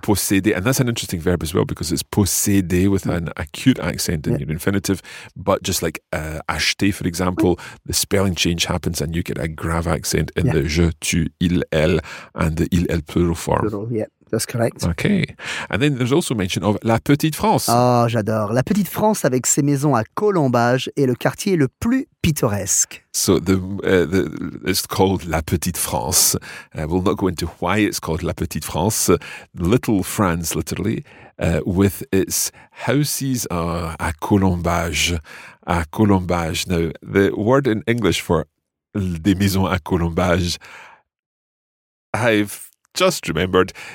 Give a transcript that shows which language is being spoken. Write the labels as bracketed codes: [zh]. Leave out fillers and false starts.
[en] Posséder, and that's an interesting verb as well, because it's posséder with an acute accent in your infinitive, but just like acheter, for example, the spelling change happens and you get a grave accent in the je, tu, il, elle, and the il, elle plural form. Plural, yeah. That's correct. Okay. And then there's also mention of La Petite France. [fr] Oh, j'adore. La Petite France avec ses maisons à colombages est le quartier le plus pittoresque. [en] So the it's called La Petite France. We'll not go into why it's called La Petite France. Little France, literally, with its houses à colombages. À colombages. Now, the word in English for [fr] des maisons à colombages, [en] I've just remembered.